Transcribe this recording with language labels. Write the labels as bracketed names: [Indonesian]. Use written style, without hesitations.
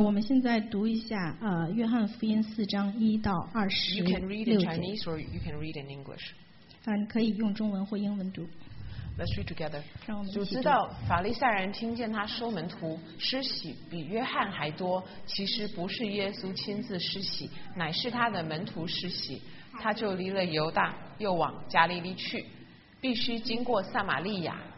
[Chinese] 我们现在读一下约翰福音四章一到二十六节。 [English] You can read in Chinese or you can read in English. [Chinese] 你可以用中文或英文读。 [English] Let's read together. [Chinese] 主知道法利赛人听见他收门徒施洗比约翰还多，其实不是耶稣亲自施洗，乃是他的门徒施洗。他就离了犹大，又往加利利去，必须经过撒玛利亚。